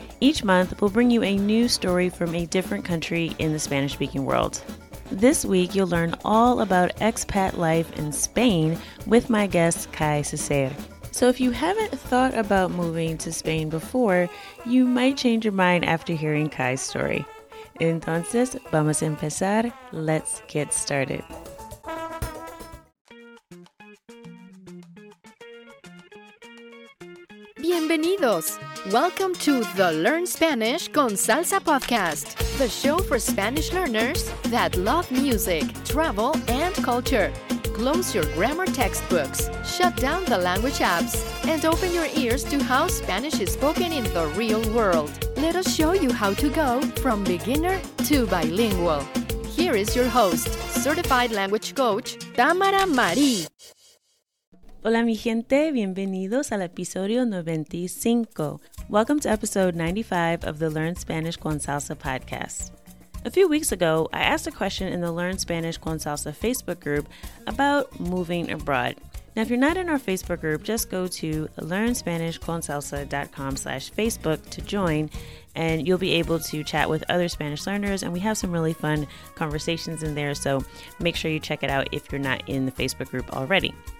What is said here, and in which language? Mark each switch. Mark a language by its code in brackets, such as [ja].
[en] Each month, we'll bring you a new story from a different country in the Spanish-speaking world. This week, you'll learn all about expat life in Spain with my guest, Kai Cesaire. So if you haven't thought about moving to Spain before, you might change your mind after hearing Kai's story. [es] Entonces, vamos a empezar. [en] Let's get started. [es] Bienvenidos. [en] Welcome to the Learn Spanish con Salsa podcast, the show for Spanish learners that love music, travel, and culture. Close your grammar textbooks, shut down the language apps, and open your ears to how Spanish is spoken in the real world. Let us show you how to go from beginner to bilingual. Here is your host, certified language coach, Tamara Marie. [es] Hola mi gente, bienvenidos al episodio 95. [en] Welcome to episode 95 of the Learn Spanish con Salsa podcast. A few weeks ago, I asked a question in the Learn Spanish con Salsa Facebook group about moving abroad. Now, if you're not in our Facebook group, just go to learnspanishconsalsa.com/Facebook to join, and you'll be able to chat with other Spanish learners, and we have some really fun conversations in there, so make sure you check it out if you're not in the Facebook group already.